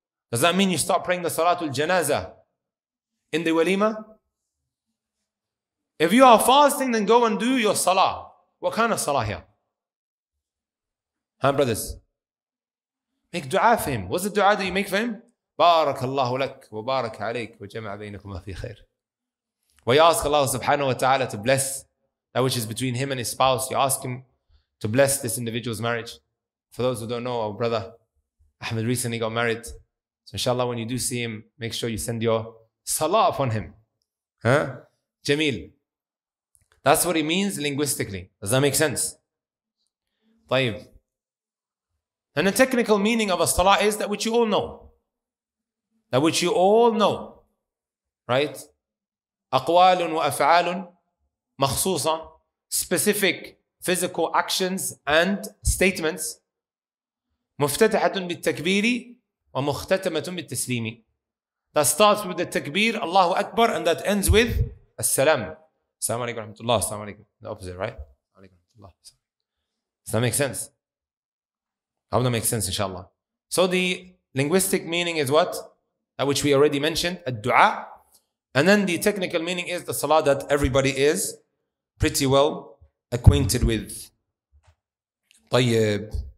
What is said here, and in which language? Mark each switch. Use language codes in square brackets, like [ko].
[en] Does that mean you start praying the salatul janazah in the walima? If you are fasting, then go and do your salah. What kind of salah here? Huh, brothers? Make dua for him. What's the dua that you make for him? [ar] بارك الله لك وبارك عليك وجمع بينكما في خير. [en] We ask Allah subhanahu wa ta'ala to bless that which is between him and his spouse. You ask him to bless this individual's marriage. For those who don't know, our brother Ahmed recently got married. So inshallah, when you do see him, make sure you send your salah upon him. Huh? Jameel. That's what it means linguistically. Does that make sense? طيب. And the technical meaning of a salah is that which you all know. That which you all know. Right? [ar] أقوال وأفعال مخصوصة. [en] Specific physical actions and statements. [ar] مفتتحة بالتكبير ومختتمة بالتسليم. [en] That starts with the takbir, Allahu Akbar, and that ends with السلام. [ar] السلام عليكم ورحمة الله. السلام عليكم. [en] The opposite, right? [ar] السلام عليكم ورحمة الله. [en] Does that make sense? How would that make sense, inshallah? So the linguistic meaning is what? That which we already mentioned, al-du'a. And then the technical meaning is the salah that everybody is pretty well acquainted with. [ar] طيب.